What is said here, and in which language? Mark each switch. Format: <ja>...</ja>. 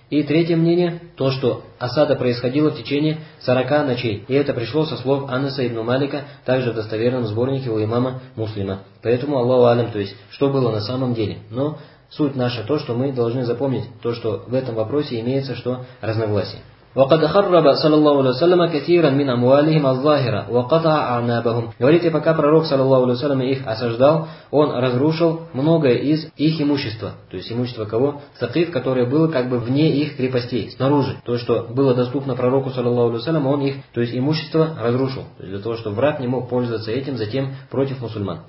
<ru>И третье мнение, то, что осада происходила в течение 40 ночей. И это пришло со слов Анаса ибн Малика, также в достоверном сборнике у имама Муслима. Поэтому Аллаху алям, то есть, что было на самом деле. Но суть наша, то, что мы должны запомнить, то, что в этом вопросе имеется, что разногласие.</ru> <ar>وقد خرب صلى الله عليه وسلم كثيرا من أموالهم الظاهرة وقطع أعنابهم.</ar> <ru>Говорите, пока пророк, саллаллаху алейхи ва саллям, их осаждал, он разрушил многое из их имущества. То есть имущество кого? Сакиф, которое было как бы вне их крепостей, снаружи. То, что было доступно пророку, саллаллаху алейхи ва саллям, он их, то есть имущество, разрушил. То есть для того, чтобы враг не мог пользоваться этим затем против мусульман.</ru>